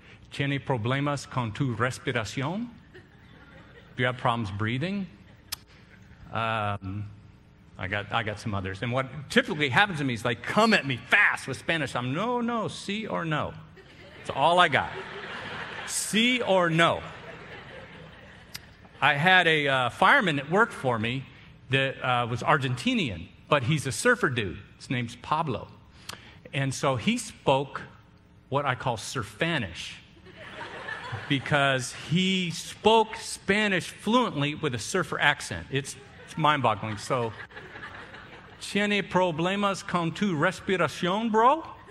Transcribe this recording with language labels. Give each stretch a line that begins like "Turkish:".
Spanish: ¿Tiene problemas con tu respiración?
English: Do you have problems breathing? I got some others. And what typically happens to me is like, come at me fast with Spanish. I'm no, si or no. That's all I got. Si or no. I had a fireman that worked for me that was Argentinian, but he's a surfer dude. His name's Pablo. And so he spoke what I call surfanish because he spoke Spanish fluently with a surfer accent. It's mind-boggling.
Spanish: So, ¿tiene problemas con tu respiración, bro?